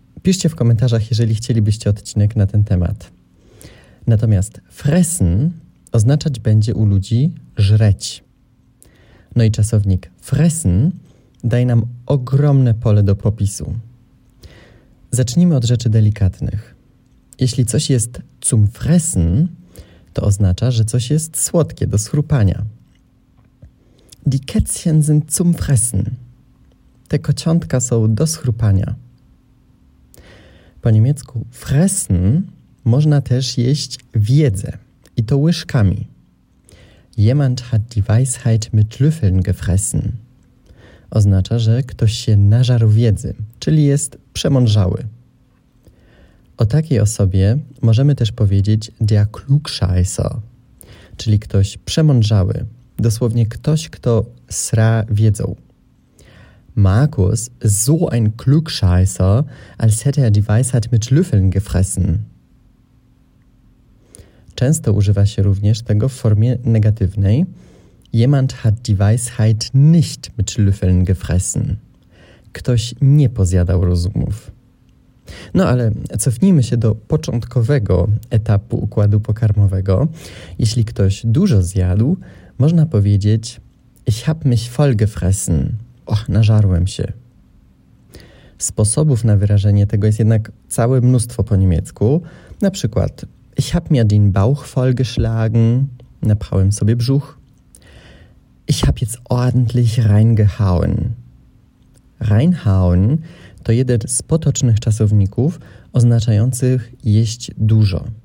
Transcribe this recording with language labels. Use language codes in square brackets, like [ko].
[pl] Piszcie w komentarzach, jeżeli chcielibyście odcinek na ten temat. Natomiast fressen oznaczać będzie u ludzi żreć. No i czasownik fressen daje nam ogromne pole do popisu. Zacznijmy od rzeczy delikatnych. Jeśli coś jest zum fressen, to oznacza, że coś jest słodkie do schrupania. [de] Die Kätzchen sind zum fressen. [pl] Te kociątka są do schrupania. Po niemiecku fressen można też jeść wiedzę i to łyżkami. [de] Jemand hat die Weisheit mit Löffeln gefressen. [pl] Oznacza, że ktoś się nażarł wiedzy, czyli jest przemądrzały. O takiej osobie możemy też powiedzieć der Klugscheißer, czyli ktoś przemądrzały, dosłownie ktoś, kto sra wiedzą. [de] Markus so ein Klugscheißer, als hätte er die Weisheit mit Löffeln gefressen. [pl] Często używa się również tego w formie negatywnej. [de] Jemand hat die Weisheit nicht mit Löffeln gefressen. [pl] Ktoś nie pozjadał rozumów. No ale cofnijmy się do początkowego etapu układu pokarmowego. Jeśli ktoś dużo zjadł, można powiedzieć [de] ich hab mich voll gefressen. [pl] Och, nażarłem się. Sposobów na wyrażenie tego jest jednak całe mnóstwo po niemiecku. Na przykład [de] ich hab mir den Bauch voll geschlagen. [pl] Napchałem sobie brzuch. [de] Ich hab jetzt ordentlich reingehauen. [pl] Reinhauen to jeden z potocznych czasowników oznaczających jeść dużo.